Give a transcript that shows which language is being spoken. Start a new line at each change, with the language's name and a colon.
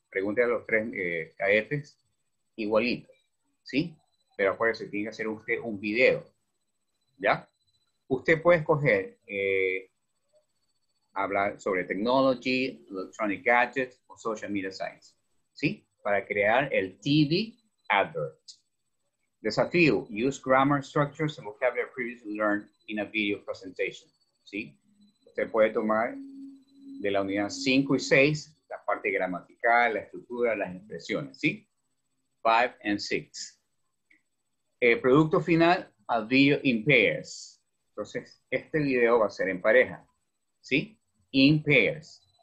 Spanish: Pregúntale a los tres KFs igualito, ¿sí? Pero acuérdese, tiene que hacer usted un video, ¿ya? Usted puede escoger hablar sobre
English: technology, electronic gadgets
Spanish: o social media sites, ¿sí? Para crear el TV advert.
English: Desafío, use grammar structures and vocabulary previously learned in a video presentation.
Spanish: ¿Sí? Usted puede tomar de la unidad 5 y 6, la parte gramatical, la estructura, las expresiones. ¿Sí?
English: 5 and 6.
Spanish: El producto final,
English: a video in pairs.
Spanish: Entonces, este video va a ser en pareja. ¿Sí?
English: In pairs.